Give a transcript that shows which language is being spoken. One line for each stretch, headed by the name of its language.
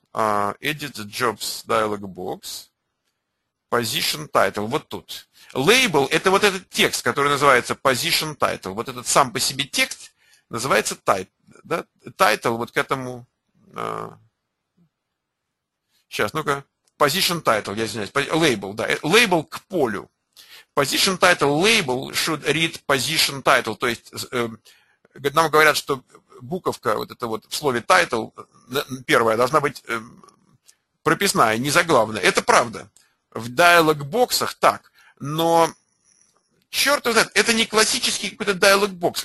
English: Edit Jobs Dialog Box. Position Title.
Russian: Вот тут. Лейбл – это вот этот текст, который называется Position Title. Вот этот сам по себе текст называется Title. Да? Title вот к этому... Сейчас, ну-ка. Position Title, я извиняюсь. Лейбл, да. Лейбл к полю.
English: Position Title Label should read Position Title.
Russian: То есть нам говорят, что буковка вот эта вот в слове Title первая должна быть прописная, не заглавная. Это правда. В диалог-боксах так. Но, черт его знает, это не классический какой-то диалог-бокс.